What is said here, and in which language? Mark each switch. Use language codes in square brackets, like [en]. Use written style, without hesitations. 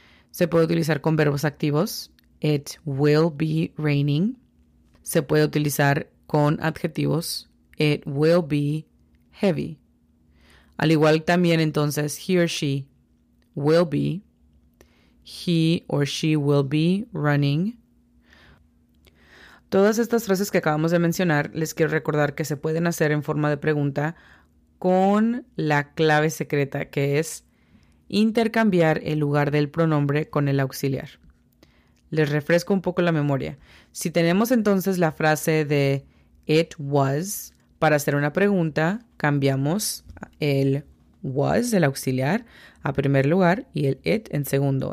[es] Se puede utilizar con verbos activos. [en] It will be raining. [es] Se puede utilizar con adjetivos. [en] It will be heavy. [es] Al igual también entonces, [en] he or she will be. He or she will be running. [es] Todas estas frases que acabamos de mencionar, les quiero recordar que se pueden hacer en forma de pregunta con la clave secreta, que es intercambiar el lugar del pronombre con el auxiliar. Les refresco un poco la memoria. Si tenemos entonces la frase de it was, para hacer una pregunta, cambiamos el was, el auxiliar, a primer lugar y el it en segundo.